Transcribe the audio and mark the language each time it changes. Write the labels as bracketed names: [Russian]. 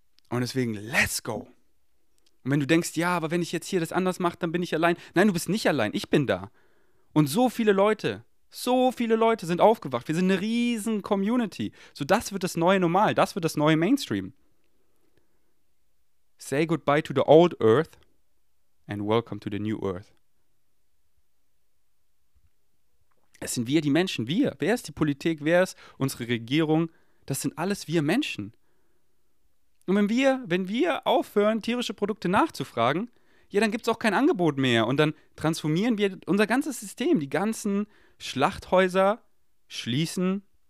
[German] Und deswegen, [English] let's go. [German] Und wenn du denkst, ja, aber wenn ich jetzt hier das anders mache, dann bin ich allein. Nein, du bist nicht allein, ich bin da. Und so viele Leute sind aufgewacht. Wir sind eine riesen Community. So, das wird das neue Normal, das wird das neue Mainstream. [English] Say goodbye to the old earth and welcome to the new earth. [German] Es sind wir die Menschen, wir. Wer ist die Politik, wer ist unsere Regierung? Das sind alles wir Menschen. Und wenn wir aufhören, tierische Produkte nachzufragen, ja, dann gibt es auch kein Angebot mehr. Und dann transformieren wir unser ganzes System. Die ganzen Schlachthäuser schließen.